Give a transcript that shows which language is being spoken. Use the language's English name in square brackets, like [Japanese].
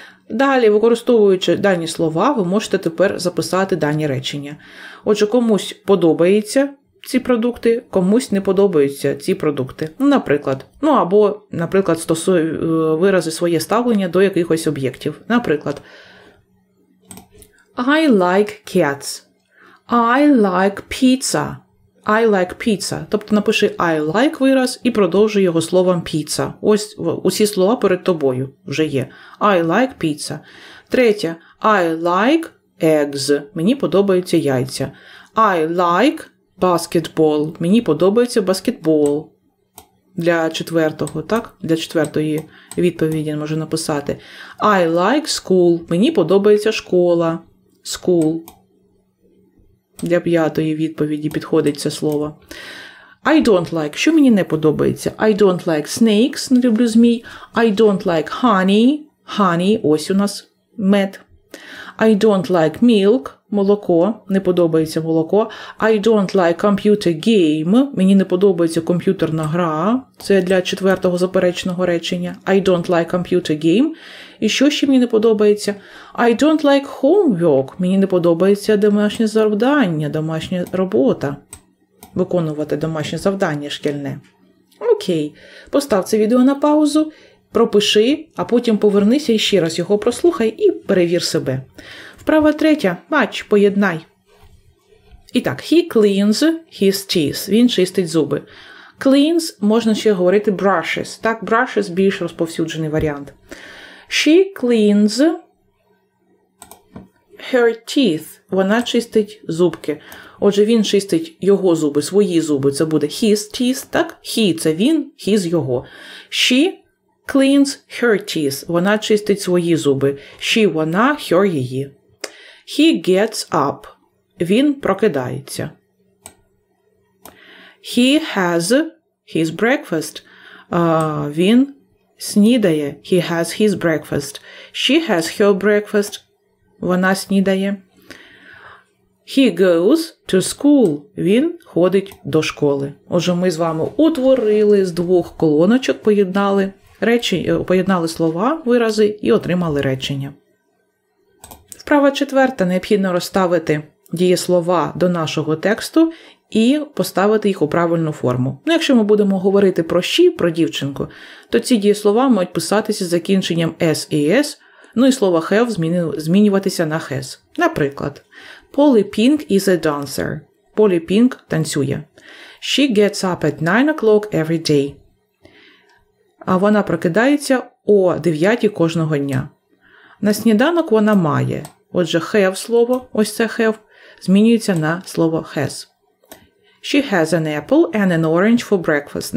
[Ukrainian] Далі, використовуючи дані слова, ви можете тепер записати дані речення. Отже, комусь подобаються ці продукти, комусь не подобаються ці продукти. Наприклад. Ну, або, наприклад, стосує вирази своє ставлення до якихось об'єктів. [English] Наприклад, I like cats. I like pizza. I like pizza. [Ukrainian] Тобто напиши [English] I like [Ukrainian] вираз і продовжуй його словом pizza. Ось усі слова перед тобою вже є. [English] I like pizza. Третє. I like eggs. [Ukrainian] Мені подобаються яйця. [English] I like basketball. [Ukrainian] Мені подобається баскетбол. Для четвертого, так? Для четвертої відповіді можу написати. [English] I like school. [Ukrainian] Мені подобається школа. [English] School. [Ukrainian] Для п'ятої відповіді підходить це слово. [English] I don't like. [Ukrainian] Що мені не подобається? [English] I don't like snakes. [Ukrainian] Не люблю змій. [English] I don't like honey. Honey. [Ukrainian] Ось у нас мед. [English] I don't like milk. Молоко. [Ukrainian] Не подобається молоко. [English] I don't like computer game. [Ukrainian] Мені не подобається комп'ютерна гра. Це для четвертого заперечного речення. [English] I don't like computer game. [Ukrainian] І що ще мені не подобається? [English] I don't like homework. [Ukrainian] Мені не подобається домашнє завдання, домашня робота. Виконувати домашнє завдання шкільне. Окей. Постав це відео на паузу. Пропиши, а потім повернися і ще раз його прослухай і перевір себе. Вправа третя. Матч, поєднай. [English] І так, he cleans his teeth. [Ukrainian] Він чистить зуби. Cleans, можна ще говорити brushes. Так, brushes більш розповсюджений варіант. [English] She cleans her teeth. [Ukrainian] Вона чистить зубки. Отже, він чистить його зуби, свої зуби. Це буде [English] his teeth, [Ukrainian] так? He – це він, his – його. [English] She cleans her teeth. [Ukrainian] Вона чистить свої зуби. She – вона, her – її. [English] He gets up. [Ukrainian] Він прокидається. [English] He has his breakfast. [Ukrainian] Він снідає. [English] He has his breakfast. She has her breakfast. [Ukrainian] Вона снідає. [English] He goes to school. [Ukrainian] Він ходить до школи. Отже, ми з вами утворили з двох колоночок, поєднали речення, поєднали слова, вирази і отримали речення. Вправа четверта. Необхідно розставити дієслова до нашого тексту і поставити їх у правильну форму. Ну, якщо ми будемо говорити про «she», про дівчинку, то ці дієслова мають писатися з закінченням «s» і «s», ну і слово «have» змінюватися на «has». [English] Наприклад, Polly Pink is a dancer. Polly Pink танцює. She gets up at 9 o'clock every day. [Ukrainian] А вона прокидається о 9 кожного дня. На сніданок вона має. Отже, «have» слово, ось це «have», змінюється на слово «has». [English] She has an apple and an orange for breakfast.